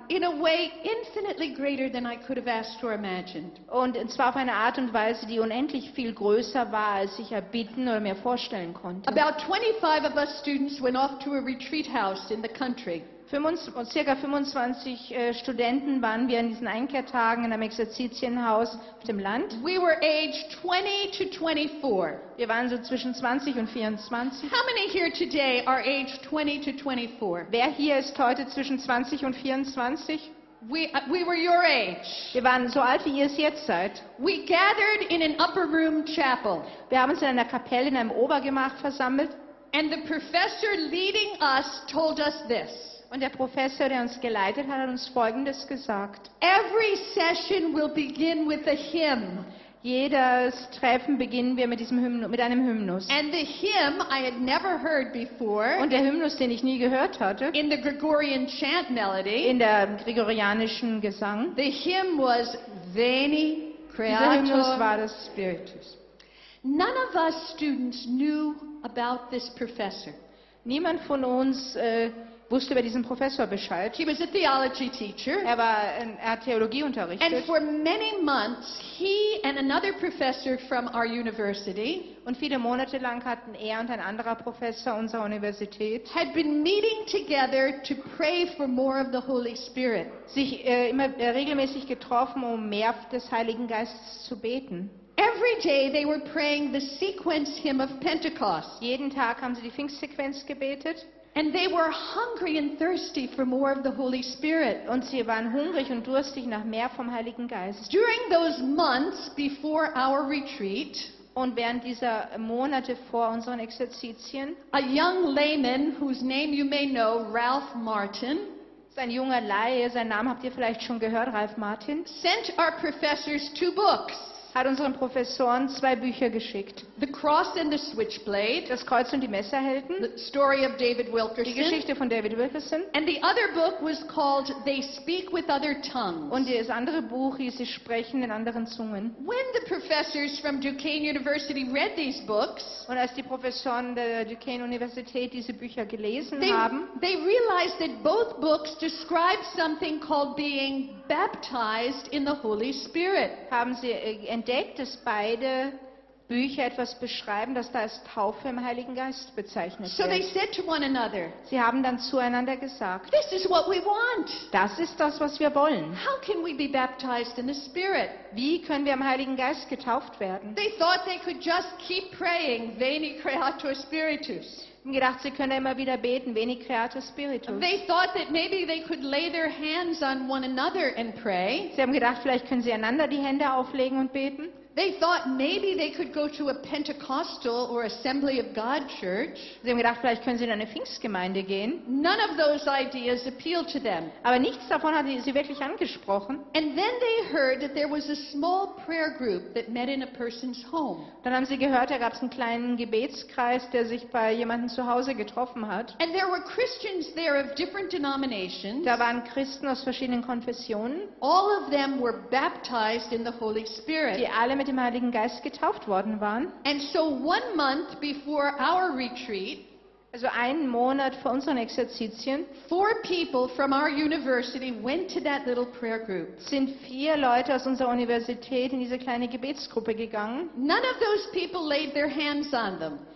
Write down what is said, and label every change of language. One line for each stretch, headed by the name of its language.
English: In a way infinitely greater than I could have asked or imagined.
German: Und zwar auf eine Art und Weise, die unendlich viel größer war, als ich erbitten oder mir vorstellen konnte.
English: About 25 of us students went off to a retreat house in the country.
German: Circa 25 Studenten waren wir an diesen Einkehrtagen in einem Exerzitienhaus auf dem Land.
English: We were age 20 to 24.
German: Wir waren so zwischen 20 und 24.
English: How many here today are age 20 to 24?
German: Wer hier ist heute zwischen 20 und 24?
English: We were your age.
German: Wir waren so alt, wie ihr es jetzt seid.
English: We gathered in an upper room chapel.
German: Wir haben uns in einer Kapelle in einem Obergemach versammelt.
English: And the professor leading us told us this.
German: Und der Professor, der uns geleitet hat, hat uns Folgendes gesagt.
English: Every session will begin with a hymn.
German: Jedes Treffen beginnen wir mit diesem Hymnus, mit einem Hymnus.
English: And the hymn I had never heard before.
German: Und der Hymnus, den ich nie gehört hatte.
English: In the Gregorian chant melody.
German: In der gregorianischen Gesang.
English: The hymn was Veni Creator.
German: Dieser Hymnus war das Spiritus.
English: None of us students knew about this professor.
German: Niemand von uns wusste über diesen Professor Bescheid.
English: He was a theology teacher.
German: Er hat Theologie unterrichtet.
English: And for many months, he and another professor from our university,
German: und viele Monate lang hatten und ein anderer Professor unserer Universität,
English: had been meeting together to pray for more of the Holy Spirit.
German: Sich immer regelmäßig getroffen, um mehr des Heiligen Geistes zu beten.
English: Every day they were praying the sequence hymn of Pentecost.
German: Jeden Tag haben sie die Pfingstsequenz gebetet.
English: And they were hungry and thirsty for more of the Holy Spirit.
German: Und sie waren hungrig und durstig nach mehr vom Heiligen Geist.
English: During those months before our retreat,
German: und während dieser Monate vor unseren Exerzitien,
English: a young layman whose name you may know, Ralph Martin,
German: ein junger Laie, seinen Namen habt ihr vielleicht schon gehört, Ralph Martin,
English: sent our professors two books.
German: Hat unseren Professoren zwei Bücher geschickt.
English: The Cross and the Switchblade,
German: das Kreuz und die Messerhelden.
English: The Story of David Wilkerson,
German: die Geschichte von David Wilkerson.
English: And the other book was called They Speak with Other Tongues.
German: Und das andere Buch hieß Sie sprechen in anderen Zungen.
English: When the professors from Duquesne University read these books,
German: und als die Professoren der Duquesne Universität diese Bücher gelesen haben,
English: they realized that both books describe something called being baptized in the Holy Spirit.
German: Haben sie entdeckt, dass beide Bücher etwas beschreiben, das da als Taufe im Heiligen Geist bezeichnet so wird.
English: They said to one another,
German: sie haben dann zueinander gesagt,
English: this is what we want.
German: Das ist das, was wir wollen.
English: How can we be baptized in the Spirit?
German: Wie können wir im Heiligen Geist getauft werden?
English: They thought they could just keep praying, Veni Creator Spiritus.
German: Gedacht, sie können immer wieder beten, Veni Creator Spiritus.
English: They thought that maybe they could lay their hands on one another and pray.
German: Sie haben gedacht, vielleicht können sie einander die Hände auflegen und beten.
English: They thought maybe they could go to a Pentecostal or Assembly of God church.
German: Sie haben gedacht, vielleicht können sie in eine Pfingstgemeinde gehen.
English: None of those ideas appealed to them.
German: Aber nichts davon hat sie wirklich angesprochen.
English: And then they heard that there was a small prayer group that met in a person's home.
German: Dann haben sie gehört, da gab es einen kleinen Gebetskreis, der sich bei jemandem zu Hause getroffen hat.
English: And there were Christians there of different denominations.
German: Da waren Christen aus verschiedenen Konfessionen.
English: All of them were baptized in the Holy Spirit.
German: Die alle mit dem Heiligen Geist getauft worden waren.
English: And so one month before our retreat,
German: also einen Monat vor unseren Exerzitien,
English: four people from our university went to that little prayer group.
German: Sind vier Leute aus unserer Universität in diese kleine Gebetsgruppe gegangen.
English: None of those people laid their hands on them.